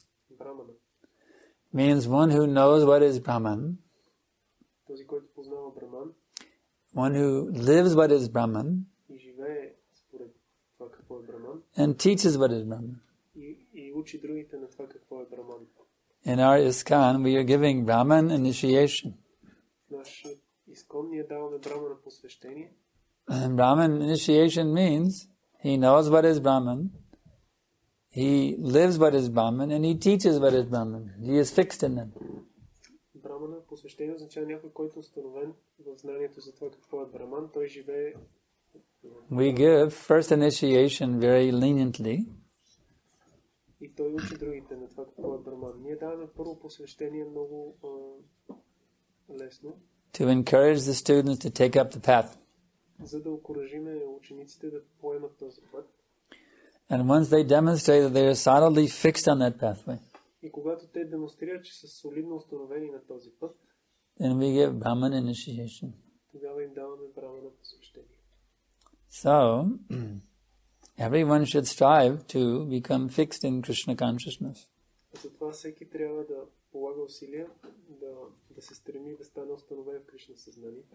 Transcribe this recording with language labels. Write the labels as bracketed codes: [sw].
[bg] Брахмана. [en] Means one who knows what is Brahman. [bg] Този, който познава Брахман. [en] One who lives what is Brahman. [bg] И живее според това какво е Брахман. [en] And teaches what is Brahman. [bg] И учи другите на това какво е Брахман. [en] In our ISKCON, we are giving Brahman initiation. [bg] Наш ISKCON ни е даваме Брахмана посвещение. [en] And Brahman initiation means he knows what is Brahman, he lives what is Brahman, and he teaches what is Brahman. He is fixed in them. [bg] Brahmana посвещение означава някой, който установен в знанието за това какво е Брахман, той живее. [en] We give first initiation very leniently. [bg] И той учи другите на това какво е Брахман. Ние даваме първо посвещение много лесно. [en] To encourage the students to take up the path. [bg] За да окуражиме учениците да поемат този път. [en] And once they demonstrate that they are solidly fixed on that pathway. [bg] И когато те демонстрират, че са солидно установени на този път, [en] then we give Brahman initiation. [bg] Тогава им даваме Брахмана посвещение. [en] So, everyone should strive to become fixed in Krishna consciousness. [bg] Затова всеки трябва да полага усилия да се стреми да стане установен в Кришна съзнание.